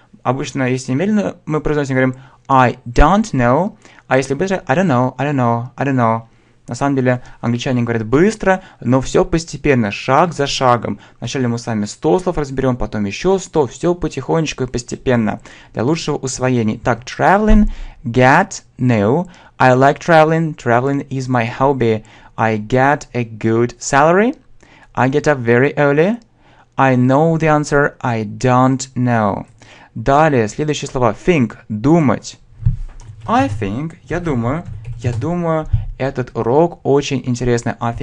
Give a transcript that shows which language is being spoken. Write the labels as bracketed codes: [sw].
[ru] Обычно, если немедленно мы произносим, говорим, [en] I don't know. [ru] А если быстро, [en] I don't know. I don't know. I don't know. [ru] На самом деле, англичане говорят быстро, но все постепенно, шаг за шагом. Вначале мы с вами 100 слов разберем, потом еще 100, все потихонечку и постепенно, для лучшего усвоения. [en] Так, traveling, get, new, I like traveling, traveling is my hobby, I get a good salary, I get up very early, I know the answer, I don't know. [ru] Далее, следующее слово, think, думать. [en] I think, [ru] я думаю. Я думаю, этот урок очень интересный.